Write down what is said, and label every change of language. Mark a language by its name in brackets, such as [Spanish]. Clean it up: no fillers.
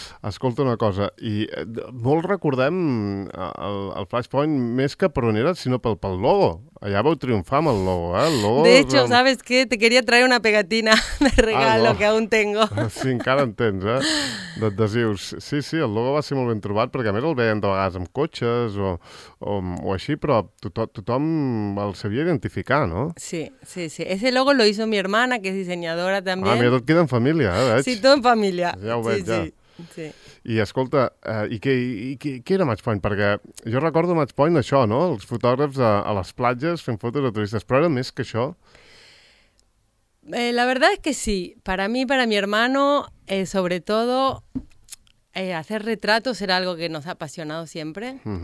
[Catalan] Escolta una cosa, i molt recordem el Flashpoint més que per on era, sinó pel logo. Allà vau triomfar amb el logo, eh? El logo [Spanish] de hecho, com... ¿sabes qué? Te quería traer una pegatina de regalo que aún tengo. [Catalan] Sí, encara en tens, eh? D'adhesius. Sí, sí, el logo va ser molt ben trobat, perquè a més el veien de vegades amb cotxes o així, però tothom el sabia identificar, no? Sí, sí, sí. [Spanish] Ese logo lo hizo mi hermana, que es diseñadora también. [Catalan] Ah, mira, tot queda en família, eh? Veig. Sí, tot en família. Ja ho veig, sí, ja. Sí. Sí. I escolta, què era Match Point? Perquè jo recordo Match Point això, no? Els fotògrafs a les platges fent fotos a turistes, però era més que això. [Spanish] La verdad es que sí. Para mí, para mi hermano, sobre todo, hacer retratos era algo que nos ha apasionado siempre.